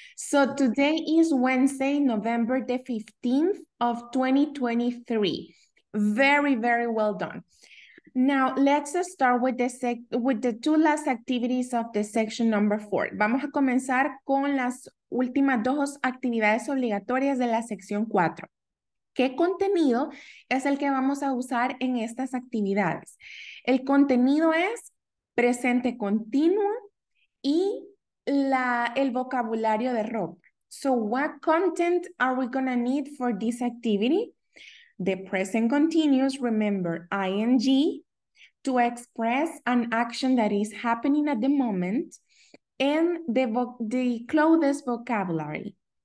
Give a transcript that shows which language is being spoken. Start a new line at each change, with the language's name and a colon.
English: So today is Wednesday, November the 15th of 2023. Very, very well done. Now, let's start with the two last activities of the section number four.
Spanish: Vamos a comenzar con las últimas dos actividades obligatorias de la sección cuatro. ¿Qué contenido es el que vamos a usar en estas actividades? El contenido es presente continuo y el vocabulario de ropa.
English: So, what content are we going to need for this activity? The present continuous, remember, ing. to express an action that is happening at the moment and the closest vocabulary.